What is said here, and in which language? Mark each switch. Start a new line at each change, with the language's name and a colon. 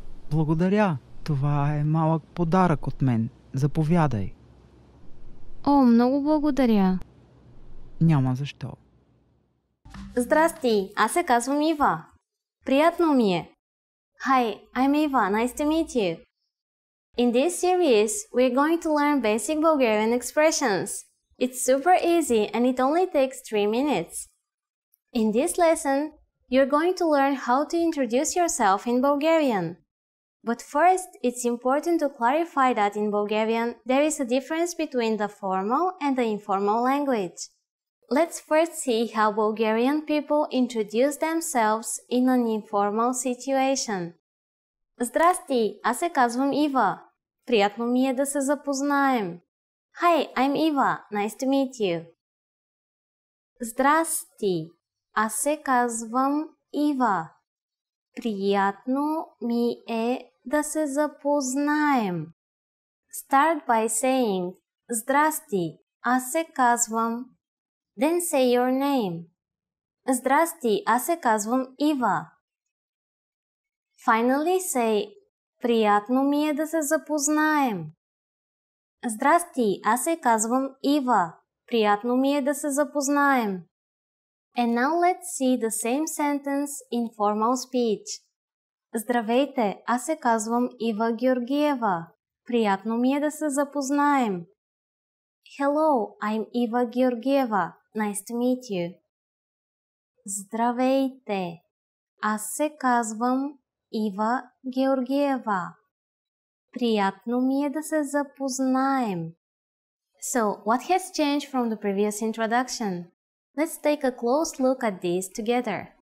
Bulgarian: Благодаря, това е малък подарък от мен. Заповядай. О, много благодаря. Няма защо. Здрасти, аз се казвам Ива. Приятно ми е.
English: Hi, I'm Eva. Nice to meet you. In this series, we're going to learn basic Bulgarian expressions. It's super easy and it only takes 3 minutes. In this lesson, you're going to learn how to introduce yourself in Bulgarian. But first, it's important to clarify that in Bulgarian, there is a difference between the formal and the informal language. Let's first see how Bulgarian people introduce themselves in an informal situation.
Bulgarian: Здрасти, аз се казвам Ива. Приятно ми е да се запознаем.
English: Hi, I'm Eva. Nice to meet you.
Bulgarian: Здрасти, аз се казвам Ива. Приятно ми е да се запознаем.
English: Start by saying
Bulgarian: Здрасти, аз се казвам.
English: Then say your name.
Bulgarian: Здрасти, аз се казвам Ива.
English: Finally say,
Bulgarian: приятно ми е да се запознаем. Здрасти, аз се казвам Ива. Приятно ми е да се запознаем.
English: And now let's see the same sentence in formal speech.
Bulgarian: Здравейте, аз се казвам Ива Георгиева. Приятно ми е да се запознаем.
English: Hello, I'm Ива Георгиева. Nice to meet you.
Bulgarian: Здравейте. Аз се казвам Ива Георгиева. Приятно ми е да се запознаем.
English: So, what has changed from the previous introduction? Let's take a close look at these together.